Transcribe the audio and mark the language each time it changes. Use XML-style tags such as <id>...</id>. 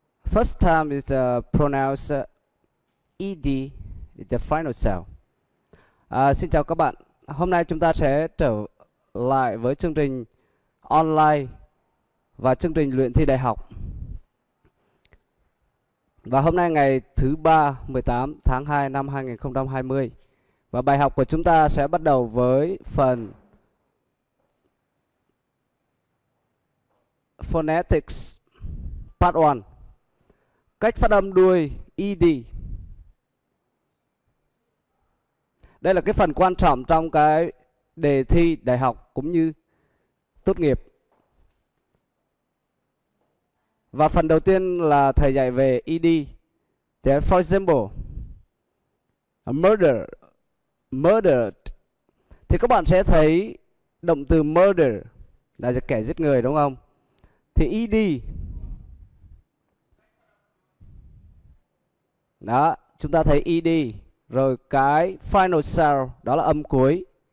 <en>First term is pronounced ED, the final sound.</en> <vi>Xin chào các bạn. Hôm nay chúng ta sẽ trở lại với chương trình online và chương trình luyện thi đại học. Và hôm nay ngày thứ ba, 18 tháng 2 năm 2020. Và bài học của chúng ta sẽ bắt đầu với phần Phonetics Part 1. Cách phát âm đuôi ED. Đây là cái phần quan trọng trong cái đề thi đại học cũng như tốt nghiệp. Và phần đầu tiên là thầy dạy về ED.</vi> <en>Để for example, murdered.</en> <vi>Thì các bạn sẽ thấy động từ murder là kẻ giết người đúng không? Thì ED. Đó, chúng ta thấy ED. Rồi cái final sound, đó là âm cuối.</vi>